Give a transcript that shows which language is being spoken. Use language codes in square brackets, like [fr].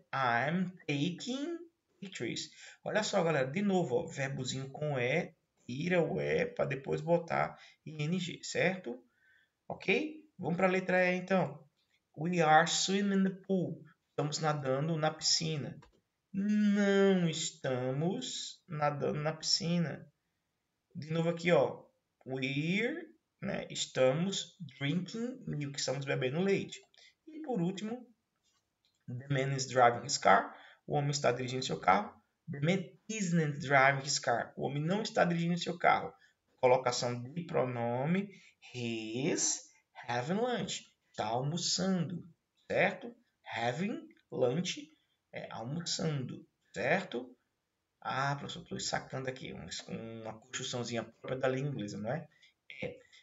[en] I'm taking pictures. [pt] Olha só, galera, de novo, ó, verbozinho com E, tira o E para depois botar ING, certo? Ok? Vamos para a letra E, então. [en] We are swimming in the pool. [pt] Estamos nadando na piscina. Não estamos nadando na piscina. De novo aqui, ó. We're, né? Estamos [en] drinking milk, [pt] estamos bebendo leite. [en] E por último, the man is driving his car. [pt] O homem está dirigindo seu carro. [en] The man isn't driving his car. [pt] O homem não está dirigindo seu carro. Colocação de pronome. [en] He's having lunch. [pt] Está almoçando, certo? [en] Having lunch [pt] é almoçando, certo? Ah, professor, estou sacando aqui uma construçãozinha própria da língua inglesa, não é? É.